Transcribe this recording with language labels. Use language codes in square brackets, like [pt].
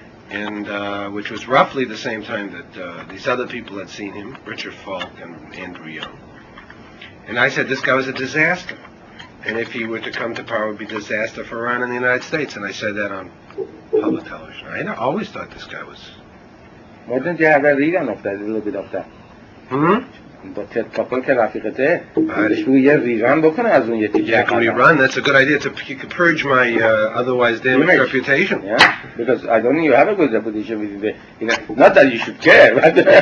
[en] and which was roughly the same time that these other people had seen him, Richard Falk and Andrew Young. And I said this guy was a disaster. And if he were to come to power, it would be a disaster for Iran and the United States. And I said that on public television. I always thought this guy was... Why didn't you have a read on that, a little bit of that? Hmm? [fa] با تد کپل که رفیقته بهش بگو یه ریران بکنه از اون یه تیکه [en] یک ریران، that's a good idea to purge my otherwise damaged reputation. Yeah, because I don't think you have a good reputation with the, you know, not that you should care, but